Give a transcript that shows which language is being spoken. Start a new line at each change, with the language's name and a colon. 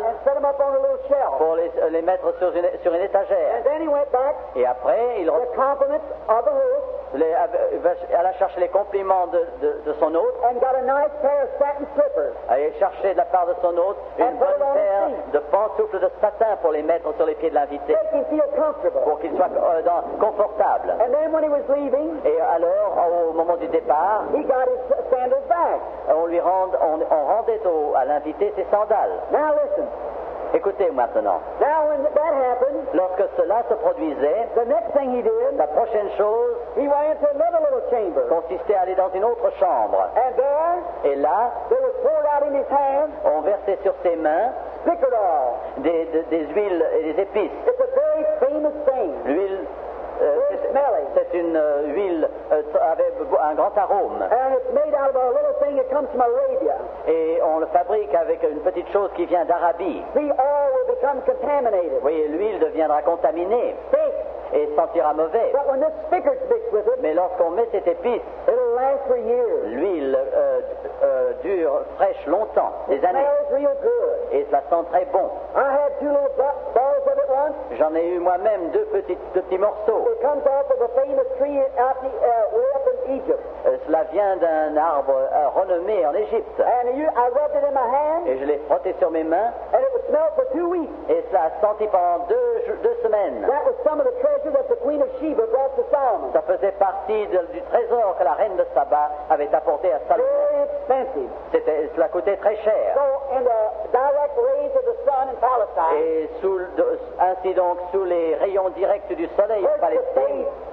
English: And set them up on a little shelf.
French: Pour les mettre sur une étagère.
English: And then he went back.
French: Et après, il alla chercher les compliments de son hôte.
English: And got a nice pair of satin slippers.
French: Allait chercher de la part de son hôte une bonne paire de pantoufles de satin pour les mettre sur les pieds de l'invité.
English: Make him feel comfortable.
French: Pour qu'il soit confortable.
English: And then when he was leaving,
French: et alors, au moment du départ,
English: he got his sandals back.
French: On rendait à l'invité ses sandales.
English: Now listen.
French: Écoutez maintenant.
English: Now when that happened,
French: lorsque cela se produisait,
English: the next thing he did,
French: la prochaine chose,
English: he went into another little chamber,
French: consistait à aller dans une autre chambre.
English: And there,
French: et là,
English: they were poured out in his hands,
French: on versait sur ses mains
English: spicador,
French: des huiles et des épices.
English: It's a very famous thing.
French: L'huile,
English: very smelly.
French: C'est une huile avec un grand arôme.
English: And it's made out of a little thing that comes from Arabia.
French: Et on le fabrique avec une petite chose qui vient d'Arabie.
English: The oil will become contaminated.
French: Oui, l'huile deviendra contaminée.
English: Thick.
French: Et sentira mauvais.
English: But when this spicker's mixed with it,
French: mais lorsqu'on met cette épice,
English: it'll last for years.
French: L'huile dure fraîche longtemps,
English: it
French: des années.
English: Smells real good.
French: Et ça sent très bon.
English: I had two little balls of it once.
French: J'en ai eu moi-même deux petits morceaux.
English: It comes off of a famous tree out the way up in Egypt.
French: Cela vient d'un arbre renommé en Égypte.
English: And I rubbed it in my hand.
French: Et je l'ai frotté sur mes mains.
English: And it smelled for 2 weeks.
French: Et ça a senti pendant deux semaines.
English: That was some of the treasure that the Queen of Sheba brought to Solomon.
French: Ça faisait partie du trésor que la reine de Saba avait apporté à Salomon.
English: Very expensive.
French: Cela coûtait très cher.
English: So in the direct rays of the sun in Palestine.
French: Et sous les rayons directs du soleil en Palestine.